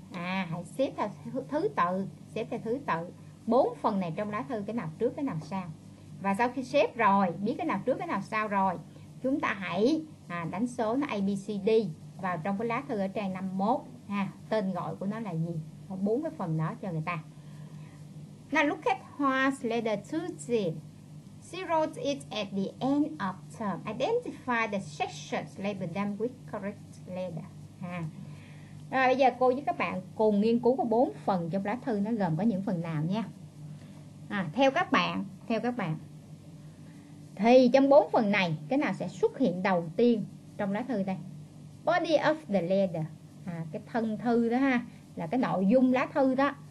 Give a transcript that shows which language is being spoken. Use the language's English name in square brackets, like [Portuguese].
[Vietnamese] À, hãy xếp theo thứ tự. Xếp theo thứ tự. Bốn phần này trong lá thư, cái nào trước cái nào sau. Và sau khi xếp rồi, biết cái nào trước cái nào sau rồi, chúng ta hãy đánh số nó ABCD vào trong cái lá thư ở trang 51 ha, tên gọi của nó là gì, bốn cái phần đó cho người ta. [English] Now look at Hua's letter to Jim. She wrote it at the end of term. Identify the sections, label them with correct letter. Ha. [Vietnamese] Rồi bây giờ cô với các bạn cùng nghiên cứu có 4 phần trong lá thư nó gồm có những phần nào nha. À, theo các bạn. Thì trong 4 phần này cái nào sẽ xuất hiện đầu tiên trong lá thư đây? [English] Body of the letter. [Vietnamese] À, cái thân thư đó ha, là cái nội dung lá thư đó.